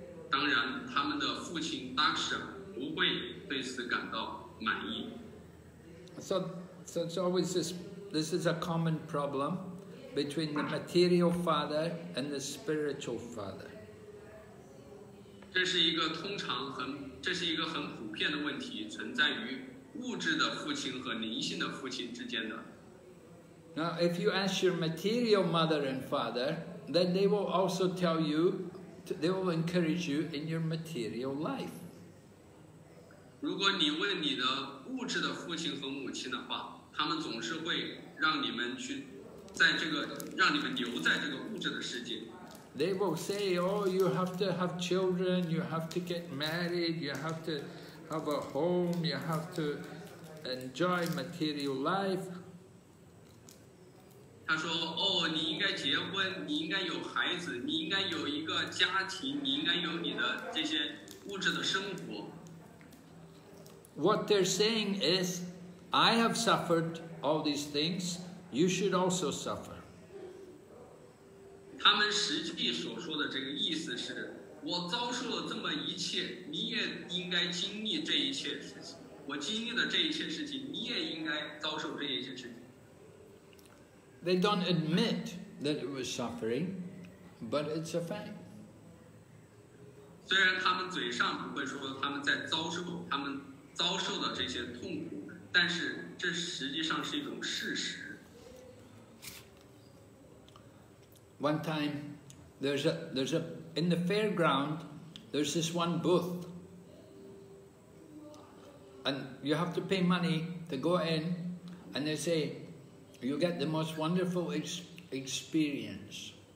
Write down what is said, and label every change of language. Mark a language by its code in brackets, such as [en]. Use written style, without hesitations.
[zh] 当然，他们的父亲Daksha不会对此感到满意。 [en] So it's always this is a common problem between the material father and the spiritual father. [zh] 这是一个很普遍的问题，存在于物质的父亲和灵性的父亲之间的。 [en] Now, if you ask your material mother and father, then they will also tell you, they will encourage you in your material life. [zh] 如果你问你的物质的父亲和母亲的话，他们总是会让你们去在这个让你们留在这个物质的世界。 [en] They will say, "Oh, you have to have children, you have to get married, you have to have a home, you have to enjoy material life." [zh] 他说：“哦，你应该结婚，你应该有孩子，你应该有一个家庭，你应该有你的这些物质的生活。” [en] What they're saying is, I have suffered all these things, you should also suffer. [zh] 他们实际所说的这个意思是，我遭受了这么一切，你也应该经历这一切事情。我经历了这一切事情，你也应该遭受这一切事情。 [en] They don't admit that it was suffering, but it's a fact. [zh] 虽然他们嘴上不会说他们在遭受，他们遭受的这些痛苦，但是这实际上是一种事实。 [en] One time, there's a in the fairground, there's this one booth, and you have to pay money to go in, and they say you get the most wonderful experience.